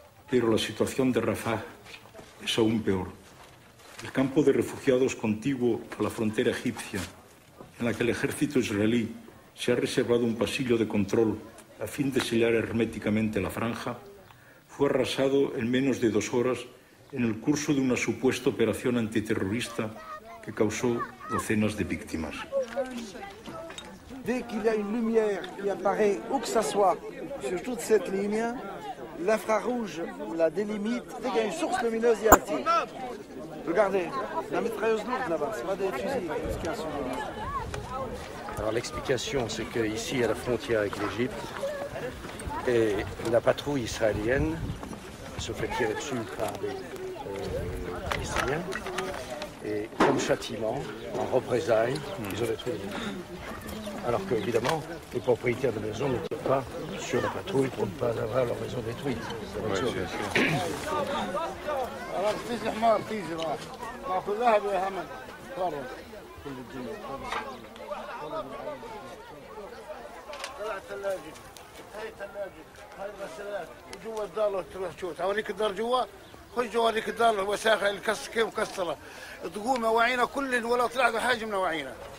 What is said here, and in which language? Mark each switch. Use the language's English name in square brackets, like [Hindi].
[Spanish] Pero la situación de Rafah es aún peor. El campo de refugiados contiguo a la frontera egipcia, en la que el ejército israelí se ha reservado un pasillo de control a fin de sellar herméticamente la franja, fue arrasado en menos de 2 horas en el curso de una supuesta operación antiterrorista que causó docenas de víctimas. [French] Dès qu'il y a une lumière qui apparaît où que ça soit sur toute cette ligne, l'infrarouge la délimite. Dès qu'il y a une source lumineuse, il y a un tir. Regardez, la mitrailleuse lourde là-bas, c'est pas des fusils. Alors l'explication, c'est qu'ici, à la frontière avec l'Égypte, et la patrouille israélienne se fait tirer dessus par des Israéliens. Et comme châtiment, en représailles, ils ont détruit les maisons. Alors qu'évidemment, les propriétaires de maisons ne tirent pas sur la patrouille pour ne pas avoir leur maison détruite. [Arabic] خش جوا هذيك الدار الوساخة كيف مكسرة تقوم مواعينا كل ولا طلعت حاجة من مواعينا.